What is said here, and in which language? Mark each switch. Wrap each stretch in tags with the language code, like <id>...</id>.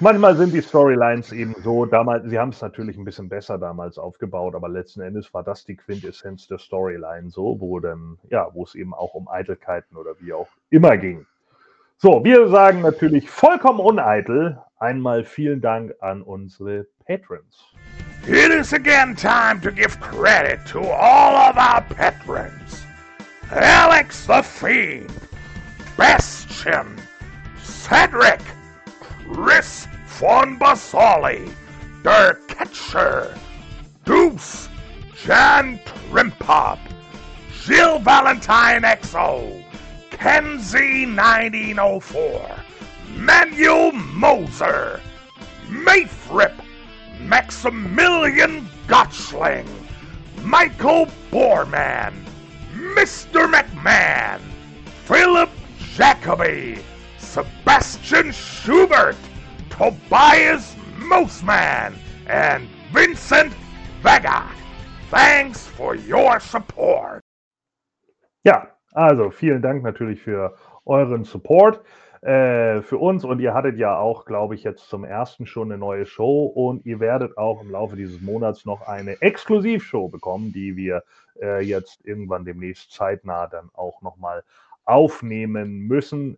<de>Manchmal sind die Storylines eben so, damals, sie haben es natürlich ein bisschen besser damals aufgebaut, aber letzten Endes war das die Quintessenz der Storyline so, wo dann, ja, wo es eben auch um Eitelkeiten oder wie auch immer ging. So, wir sagen natürlich vollkommen uneitel, einmal vielen Dank an unsere Patrons.</de> <en>It is again time to give credit to all of our patrons. Alex the Fiend, Bastion, Cedric, Chris von Basali, Der Ketcher, Deuce, Jan Trimpop, Jill Valentine XO, Kenzie 1904, Manuel Moser, Mayfrip, Maximilian Gotchling, Michael Borman, Mr. McMahon, Philip Jacoby, Sebastian Schubert, Tobias Mosman, and Vincent Vega. Thanks for your support.</en> <de>Ja, also vielen Dank natürlich für euren Support. Für uns und ihr hattet ja auch, glaube ich, jetzt zum ersten schon eine neue Show und ihr werdet auch im Laufe dieses Monats noch eine Exklusivshow bekommen, die wir jetzt irgendwann demnächst zeitnah dann auch nochmal aufnehmen müssen.</de>